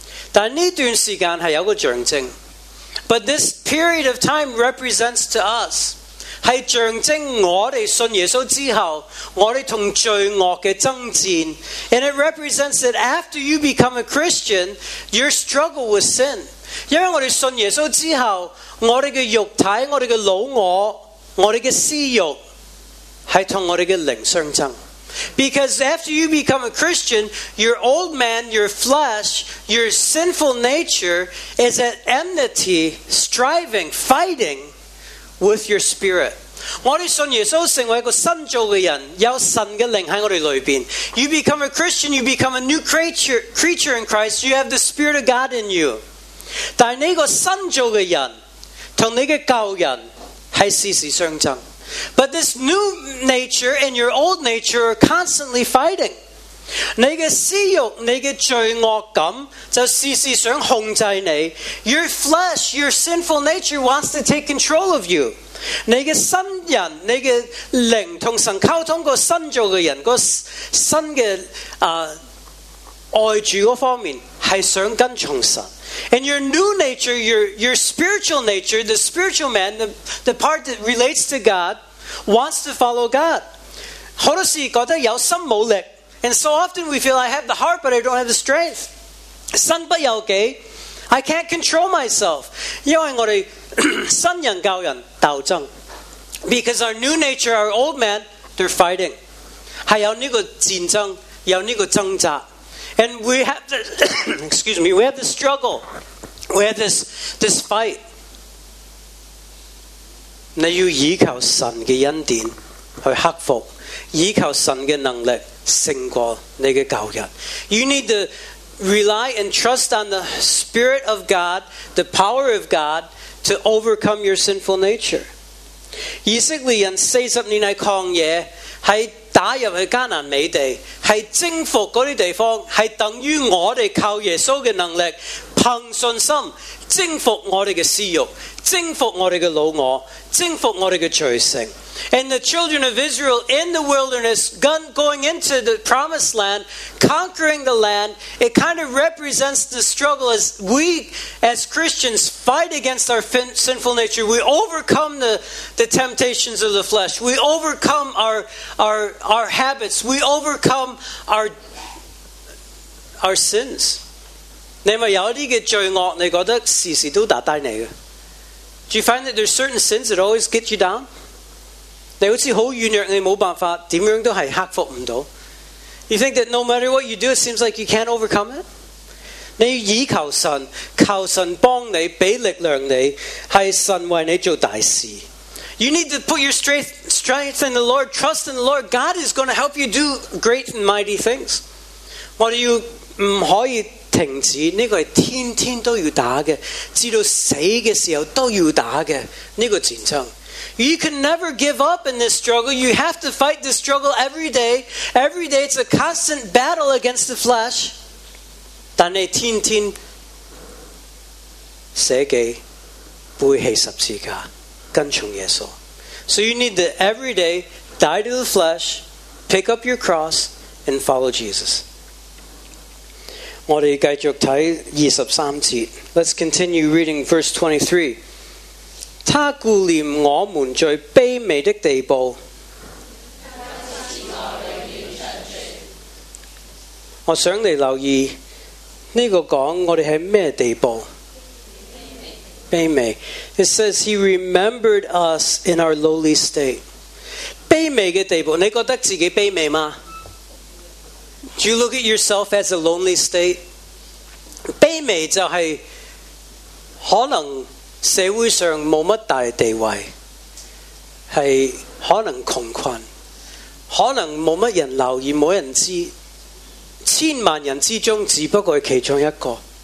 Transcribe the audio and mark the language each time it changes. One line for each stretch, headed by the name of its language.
Cantonese: 但呢段时间是有个象征。
English: But this period of time represents to us,
Cantonese: 是象征我们信耶稣之后，我们同罪恶的争战。
English: And it represents that after you become a Christian, your struggle with sin.
Cantonese: 因为我们信耶稣之后，我们的肉体，我们的老我，我们的私欲，是同我们的灵相争。
English: Because after you become a Christian, your old man, your flesh, your sinful nature is at enmity, striving, fighting with your spirit.
Cantonese: 我们信耶稣成为一个新造的人，有神的灵在我们里面。
English: You become a Christian, you become a new creature in Christ, you have the Spirit of God in you.
Cantonese: 但那个新造的人和那个旧人是时时相争。
English: But this new nature and your old nature are constantly fighting.
Cantonese: 你的私欲，你的罪恶感就时时想控制你。
English: Your flesh, your sinful nature wants to take control of you。
Cantonese: 你的新人，你的灵和神沟通的新造的人，那个新的爱主那方面是想跟从神。
English: And your new nature, your spiritual nature, the spiritual man, the part that relates to God, wants to follow God.
Cantonese: 很多时觉得有心无力，
English: and so often we feel, I have the heart, but I don't have the strength.
Cantonese: 心不有己，
English: I can't control myself.
Cantonese: 因为我们新人教人斗争，
English: because our new nature, our old man, they're fighting.
Cantonese: 是有这个战争，有这个挣扎。
English: And we have the, excuse me, we have this struggle. We have this fight.
Cantonese: 你要依靠神的恩典去克服，依靠神的能力胜过你的旧人。
English: You need to rely and trust on the Spirit of God, the power of God, to overcome your sinful nature.
Cantonese: 以色列人四十年在旷野是打入去迦南美地，是征服那些地方，是等于我们靠耶稣的能力，凭信心征服我们的私欲，征服我们的老我，征服我们的罪性。
English: And the children of Israel in the wilderness, going into the promised land, conquering the land, it kind of represents the struggle as we as Christians fight against our sinful nature. We overcome the temptations of the flesh. We overcome our habits. We overcome our sins.
Cantonese: 你咪有啲嘅罪恶，你觉得时时都打低你嘅。
English: Do you find that there's certain sins that always get you down?
Cantonese: 你好似好软弱，你冇办法，点样都系克服唔到。
English: You think that no matter what you do, it seems like you can't overcome it?
Cantonese: 你要倚靠神，靠神帮你，俾力量你，系神为你做大事。
English: You need to put your strength in the Lord, trust in the Lord. God is going to help you do great and mighty things.
Cantonese: 我哋要唔可以停止，这个是天天都要打的，直到死的时候都要打的这个战争。
English: You can never give up in this struggle. You have to fight this struggle every day. Every day it's a constant battle against the flesh.
Cantonese: 但你天天舍己背起十字架跟从耶稣。
English: So you need to every day die to the flesh, pick up your cross and follow Jesus.
Cantonese: 我们继续看23节。
English: Let's continue reading verse 23。
Cantonese: 他顾念我们最卑微的地步，我想你留意这个讲我们是什么地步。
English: 卑微， It says he remembered us in our lowly state。
Cantonese: 卑微的地步，你觉得自己卑微吗？
English: Do you look at yourself as a lonely state?
Cantonese: 卑微就是可能社会上没什么大地位，是可能穷困，可能没什么人留意，没人知，千万人之中只不过是其中一个。